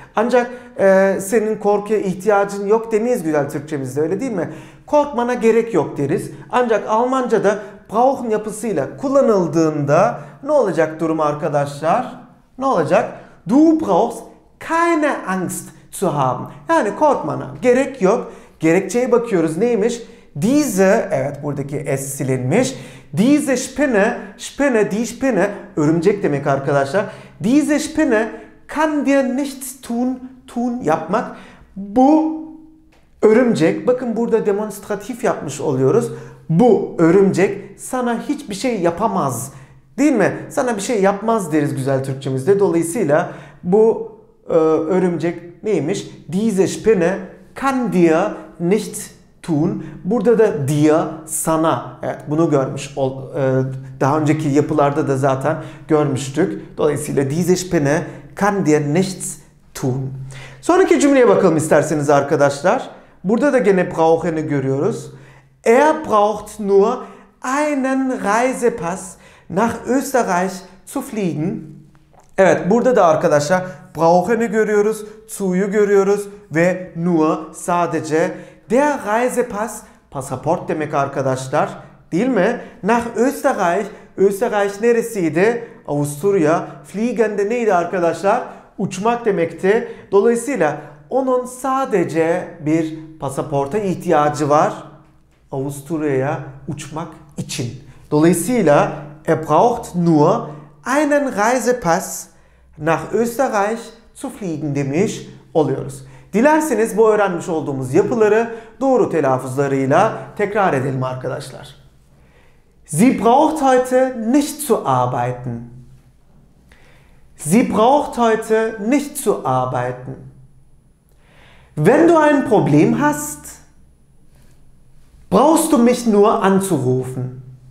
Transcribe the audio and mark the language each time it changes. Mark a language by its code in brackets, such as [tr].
[tr] Ancak senin korkuya ihtiyacın yok demeyiz güzel Türkçemizde, öyle değil mi? Korkmana gerek yok deriz. Ancak Almanca'da brauchen yapısıyla kullanıldığında ne olacak durum arkadaşlar? Ne olacak? [de] Du brauchst keine Angst zu haben. [tr] Yani korkmana gerek yok. Gerekçeye bakıyoruz, neymiş? Diese, evet buradaki S silinmiş. [de] Diese Spinne, Spinne, die Spinne, [tr] örümcek demek arkadaşlar. [de] Diese Spinne kann dir nichts tun, tun [tr] yapmak. Bu örümcek, bakın burada demonstratif yapmış oluyoruz. Bu örümcek sana hiçbir şey yapamaz, değil mi? Sana bir şey yapmaz deriz güzel Türkçemizde. Dolayısıyla bu örümcek neymiş? [de] Diese Spinne kann dir nichts tun. [tr] Burada da dia, sana. Evet, bunu görmüş. Daha önceki yapılarda da zaten görmüştük. Dolayısıyla [de] diese Spinne kann dir nichts tun. [tr] Sonraki cümleye bakalım isterseniz arkadaşlar. Burada da gene brauchen'i görüyoruz. [de] Er braucht nur einen Reisepass nach Österreich zu fliegen. [tr] Evet, burada da arkadaşlar brauchen'i görüyoruz, zu'yu görüyoruz ve nur, sadece. Der Reisepass, pasaport demek arkadaşlar, değil mi? [de] Nach Österreich, [tr] Österreich neresiydi? Avusturya. Fliegen de neydi arkadaşlar? Uçmak demekti. Dolayısıyla onun sadece bir pasaporta ihtiyacı var Avusturya'ya uçmak için. Dolayısıyla [de] er braucht nur einen Reisepass nach Österreich zu fliegen [tr] demiş oluyoruz. Dilerseniz bu öğrenmiş olduğumuz yapıları doğru telaffuzlarıyla tekrar edelim arkadaşlar. [de] Sie braucht heute nicht zu arbeiten. Sie braucht heute nicht zu arbeiten. Wenn du ein Problem hast, brauchst du mich nur anzurufen.